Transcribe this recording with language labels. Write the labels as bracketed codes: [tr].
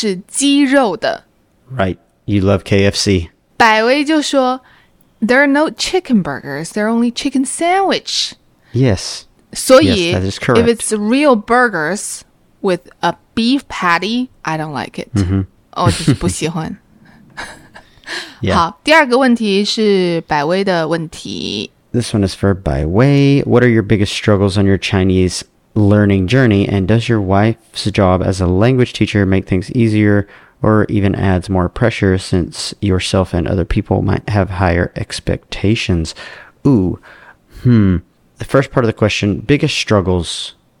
[zh] 而且呢，我说的对吗？你说的对，是的。而且我喜欢的汉堡是鸡肉的。 [en] Right, you love KFC. 百威 [zh] 就说, [en] there are no chicken burgers, there are only chicken sandwich. Yes. [zh] 所以, [en] yes, that is correct. If it's real burgers with a beef patty, I don't like it. Mm-hmm. [zh] 我就是不喜欢。 [en] Yeah. [zh] 好,第二个问题是百威的问题。 [en] This one is for Baiwei. What are your biggest struggles on your Chinese learning journey? And does your wife's job as a language teacher make things easier or even adds more pressure since yourself and other people might have higher expectations? Ooh, The first part of the question, biggest struggles.